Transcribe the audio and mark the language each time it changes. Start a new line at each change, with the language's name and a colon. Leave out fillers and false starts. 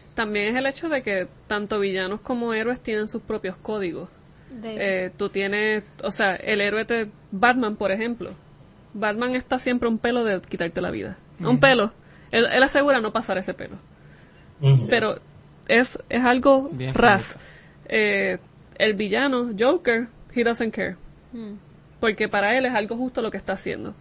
Spanish: También es el hecho de que tanto villanos como héroes tienen sus propios códigos. Tú tienes... O sea, el héroe de Batman, por ejemplo. Batman está siempre un pelo de quitarte la vida. Uh-huh. Un pelo. Él asegura no pasar ese pelo. Sí. Pero es algo bien ras. El villano,
English: Joker, he doesn't care. Mm.
Spanish: Porque para él es algo justo lo que está haciendo.